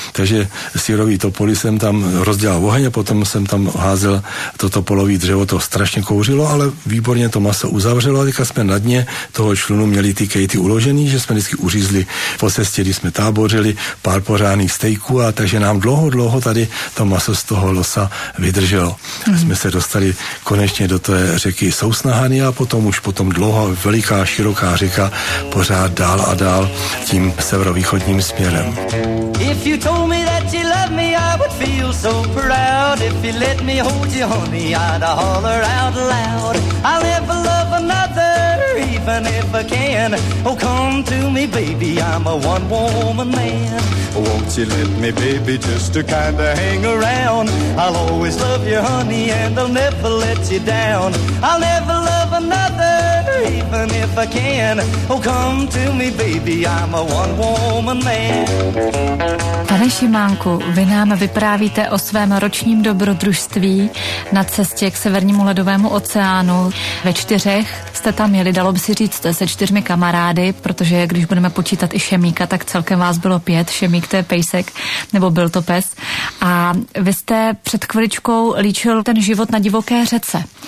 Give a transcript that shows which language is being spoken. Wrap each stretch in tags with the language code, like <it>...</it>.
<cs>Takže sírový topoli jsem tam rozdělal oheň a potom jsem tam házel to topolový dřevo, to strašně kouřilo, ale výborně to maso uzavřelo a teďka jsme na dně toho člunu měli ty kejty uložený, že jsme vždycky uřízli po cestě, kdy jsme tábořili pár pořádných stejků a takže nám dlouho tady to maso z toho losa vydrželo. Mm-hmm. Jsme se dostali konečně do té řeky Sousnahaný a potom už potom dlouho veliká, široká řeka pořád dál a dál tím severovýchodním směrem.</cs> <en>If you told me that you love me, I would feel so proud. If you let me hold you, honey, I'd holler out loud. I'll never love another even if I can. Oh, come to me, baby, I'm a one-woman man. Won't you let me, baby, just to kind of hang around? I'll always love you, honey, and I'll never let you down. I'll never love another, even if I can. Oh, come to me, baby, I'm a one-woman man.</en> <cs>Pane Šimánku, vy nám vyprávíte o svém ročním dobrodružství na cestě k Severnímu ledovému oceánu. Ve čtyřech jste tam jeli, dalo by si říct, se čtyřmi kamarády, protože když budeme počítat i Šemíka, tak celkem vás bylo pět. Šemík to je pejsek, nebo byl to pes. A vy jste před chviličkou líčil ten život na divoké řece.</cs>